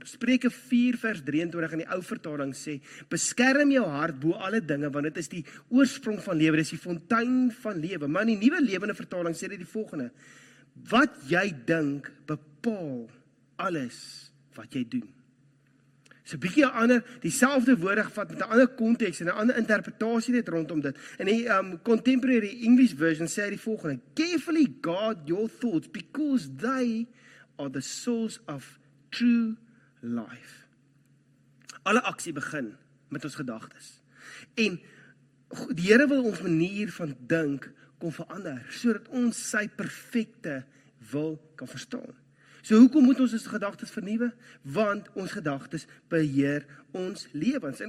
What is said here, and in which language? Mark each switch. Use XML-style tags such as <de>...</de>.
<af>Spreuke 4 vers 23 in die ou vertaling sê, beskerm jou hart bo alle dinge, want dit is die oorsprong van lewe, dit is die fontein van lewe. Maar in die nuwe lewende vertaling sê dit die volgende, wat jy dink bepaal alles wat jy doen. So bietjie ander, dieselfde woorde gevat met 'n ander konteks en 'n ander interpretasie net rondom dit. In die contemporary English version sê hy die volgende:</af> <en>carefully guard your thoughts because they are the source of true life.</en> <af>Alle aksie begin met ons gedagtes. En die Here wil ons manier van dink kom verander sodat ons sy perfekte wil kan verstaan. So hoekom moet ons ons gedagtes vernuwe? Want ons gedagtes beheer ons lewens.</af>